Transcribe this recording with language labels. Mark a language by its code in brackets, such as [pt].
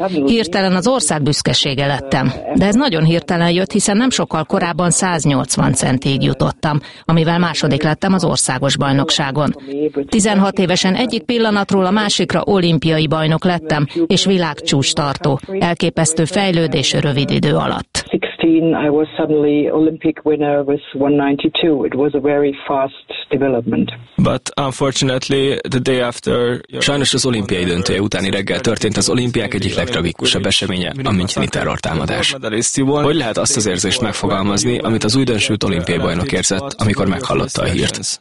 [hu] Hirtelen az ország büszkesége lettem. De ez nagyon hirtelen jött, hiszen nem sokkal korábban 180 centig jutottam, amivel második lettem az országos bajnokságon. 16 évesen egyik pillanatról a másikra olimpiai bajnok lettem, és világcsúcs tartó. Elképesztő fejlődés rövid idő alatt. [en] I was suddenly Olympic winner with 192. It was a very fast development. But unfortunately, the day after. [hu] Sajnos az olimpiai döntője utáni reggel történt az olimpiák egyik legtragikusabb eseménye, a müncheni terrortámadás. Hogy lehet azt az érzést megfogalmazni, amit az újdonsült olimpiai bajnok érzett, amikor meghallotta a hírt?